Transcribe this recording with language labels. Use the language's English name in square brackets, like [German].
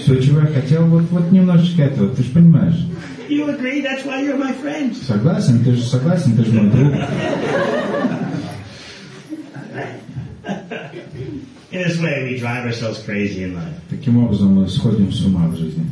[Russian] Все, чего я хотел, вот немножечко этого, ты же понимаешь. [English] You agree, that's why you're my friend. [Russian] Согласен, ты же согласен, ты же мой друг. [English] In this way we drive ourselves crazy in life. [Russian] Таким образом мы сходим с ума в жизни.